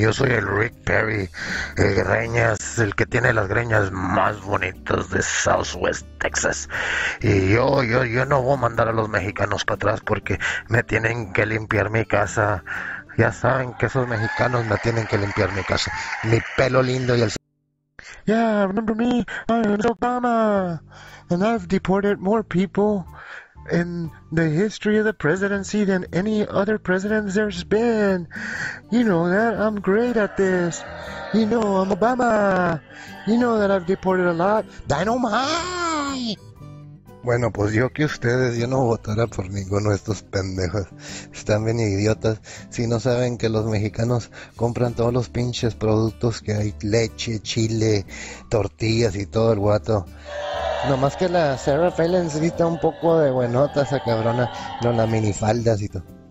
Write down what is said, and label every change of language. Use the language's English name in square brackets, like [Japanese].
[Spanish] Yo soy el Rick Perry, el greñas, el que tiene las greñas más bonitas de Southwest Texas. Y yo no voy a mandar a los mexicanos para atrás porque me tienen que limpiar mi casa. Ya saben que esos mexicanos me tienen que limpiar mi casa. Mi pelo lindo y el. [English] Yeah, remember me? I'm Obama, and I've deported more people in the history of the presidency than any other president there's been. You know that I'm great at this. You know I'm Obama. You know that I've deported a lot. Dynamite! [Spanish] Bueno, pues yo que ustedes, yo no votaré por ninguno de estos pendejos. Están bien idiotas si no saben que los mexicanos compran todos los pinches productos que hay: leche, chile, tortillas y todo el guato. Nomás que la Sarah Palin se grita un poco de buenota, esa cabrona, no, las minifaldas y todo.